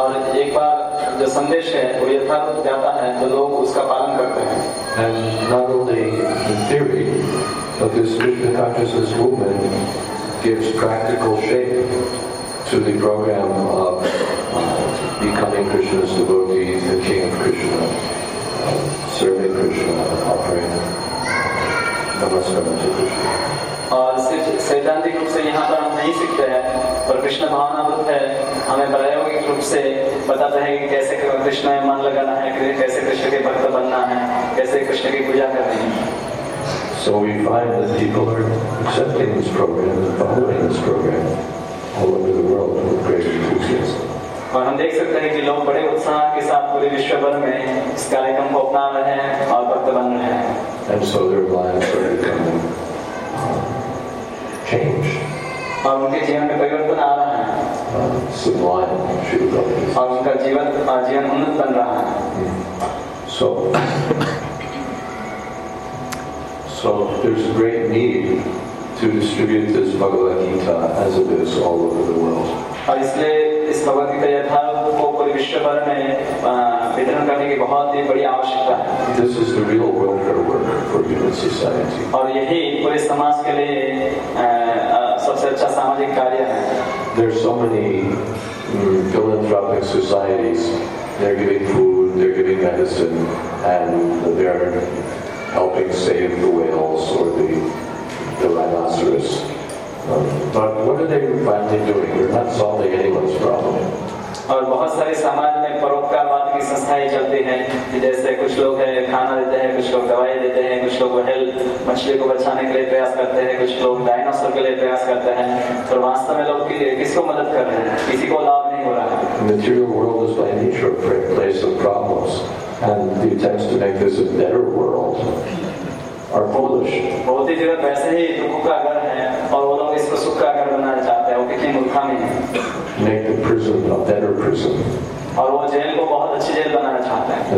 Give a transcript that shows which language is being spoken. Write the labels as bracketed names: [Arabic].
[Hindi] और एक बार जो संदेश है वो यथार्थ जाता है तो लोग उसका पालन करते हैं [English] and not only in theory but this Krishna consciousness movement gives practical shape to the program of becoming Krishna's devotee, the king of Krishna, serving Krishna, offering namaskar to Krishna. [Hindi] और सिर्फ सैद्धांतिक रूप से यहाँ पर हम नहीं सीखते हैं पर कृष्ण भावना अमृत है हमें प्रायोगिक रूप से बताते हैं कि कैसे कृष्ण में मन लगाना है कैसे कृष्ण के भक्त बनना है कैसे कृष्ण की पूजा करनी है [English] So we find that people are accepting this program and following this program all over the world with great enthusiasm. [Hindi] और हम देख सकते हैं कि लोग बड़े उत्साह के साथ पूरे विश्व भर में इस कार्यक्रम को अपना रहे हैं और भक्त बन रहे हैं [English] And so their lives are becoming change. [Hindi] और उनके जीवन में परिवर्तन आ रहा है [English] sublime, Shri Prabhupada. [Hindi] और उनका जीवन जीवन उन्नत बन रहा है [English] So there's a great need to distribute this Bhagavad Gita as it is all over the world. [Hindi] और इसलिए इस भगवद गीता यथार्थ को पूरे विश्व भर में वितरण करने की बहुत ही बड़ी आवश्यकता है [English] This is the real welfare work for human society. [Hindi] और यही पूरे समाज के लिए सबसे अच्छा सामाजिक कार्य है [English] There are so many philanthropic societies. They're giving food, they're giving medicine, and they're helping save the whales or the rhinoceros. But what are they finally doing? They're not solving anyone's problem. [Hindi] और बहुत सारे समाज में परोपकारवाद की संस्था संस्थाएं चलती हैं, जैसे कुछ लोग है खाना देते हैं, कुछ लोग दवाई देते हैं, कुछ लोग मछली को बचाने के लिए प्रयास करते हैं, कुछ लोग डायनासोर के लिए प्रयास करते हैं, पर वास्तव में लोग किसको मदद कर रहे हैं, किसी को लाभ नहीं हो रहा है। [English] Material world is by nature a great place of problems, and the attempts to make this a better world are foolish. [Hindi] बहुत ही जगह वैसे ही दुख का घर है और वो लोग इसको सुख का घर बनाना चाहते हैं, वो कितनी मूर्खामी है। [English] Make the prison a better prison. [Hindi] और वो जेल को बहुत अच्छी जेल बनाना चाहते हैं।